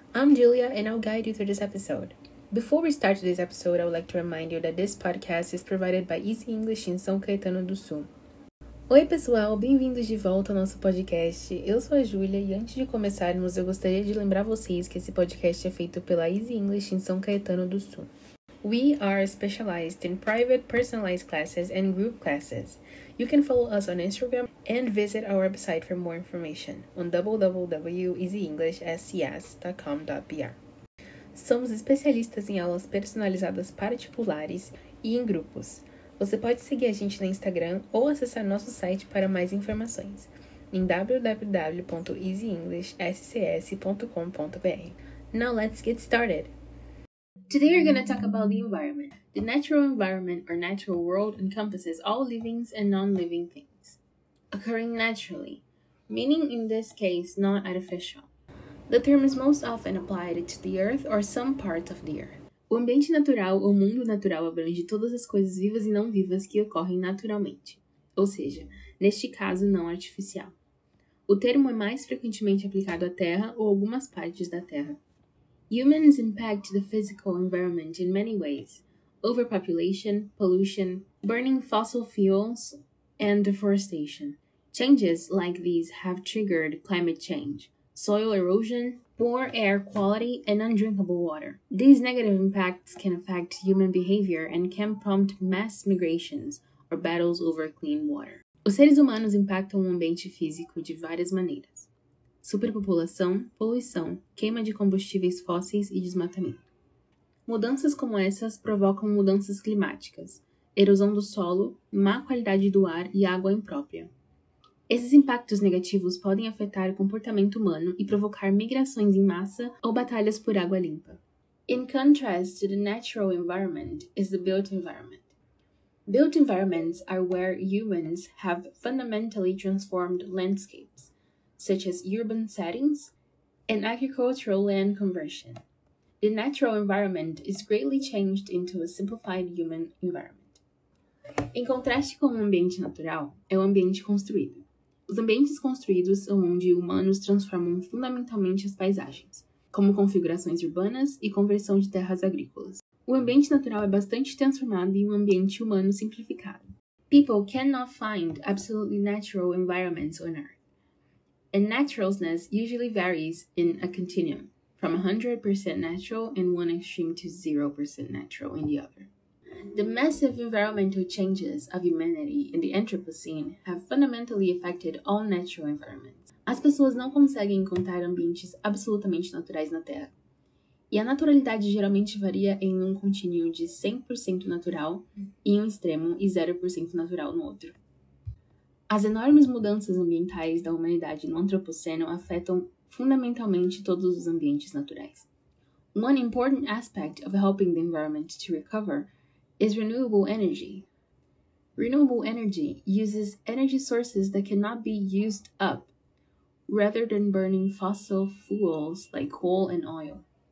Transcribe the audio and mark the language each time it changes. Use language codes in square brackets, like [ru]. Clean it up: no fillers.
[en] I'm Julia and I'll guide you through this episode. Before we start today's episode, I would like to remind you that this podcast is provided by Easy English in São Caetano do Sul. [pt] Oi pessoal, bem-vindos de volta ao nosso podcast. Eu sou a Julia e antes de começarmos, eu gostaria de lembrar vocês que esse podcast é feito pela Easy English in São Caetano do Sul. [en] We are specialized in private personalized classes and group classes. You can follow us on Instagram and visit our website for more information on www.easyenglishscs.com.br. [pt] Somos especialistas em aulas personalizadas particulares e em grupos. Você pode seguir a gente no Instagram ou acessar nosso site para mais informações em www.easyenglishscs.com.br. [en] Now let's get started! Today we're going to talk about the environment. The natural environment or natural world encompasses all living and non-living things, occurring naturally, meaning in this case not artificial. The term is most often applied to the earth or some parts of the earth. [pt] O ambiente natural ou mundo natural abrange todas as coisas vivas e não vivas que ocorrem naturalmente, ou seja, neste caso não artificial. O termo é mais frequentemente aplicado à Terra ou algumas partes da Terra. [en] Humans impact the physical environment in many ways: overpopulation, pollution, burning fossil fuels, and deforestation. Changes like these have triggered climate change, soil erosion, poor air quality, and undrinkable water. These negative impacts can affect human behavior and can prompt mass migrations or battles over clean water. [pt] Os seres humanos impactam o ambiente físico de várias maneiras: superpopulação, poluição, queima de combustíveis fósseis e desmatamento. Mudanças como essas provocam mudanças climáticas, erosão do solo, má qualidade do ar e água imprópria. Esses impactos negativos podem afetar o comportamento humano e provocar migrações em massa ou batalhas por água limpa. [en] In contrast to the natural environment is the built environment. Built environments are where humans have fundamentally transformed landscapes, such as urban settings and agricultural land conversion. The natural environment is greatly changed into a simplified human environment. [pt] Em contraste com o ambiente natural, é o ambiente construído. Os ambientes construídos são onde humanos transformam fundamentalmente as paisagens, como configurações urbanas e conversão de terras agrícolas. O ambiente natural é bastante transformado em um ambiente humano simplificado. [en] People cannot find absolutely natural environments on Earth. And naturalness usually varies in a continuum, from 100% natural in one extreme to 0% natural in the other. The massive environmental changes of humanity in the Anthropocene have fundamentally affected all natural environments. [pt] As pessoas não conseguem encontrar ambientes absolutamente naturais na Terra. E a naturalidade geralmente varia em um contínuo de 100% natural em um extremo e 0% natural no outro. As enormes mudanças ambientais da humanidade no Antropoceno afetam fundamentalmente todos os ambientes naturais. [en] One important aspect of helping the environment to recover is renewable energy. Renewable energy uses energy sources that cannot be used up, rather than burning fossil fuels like coal and oil.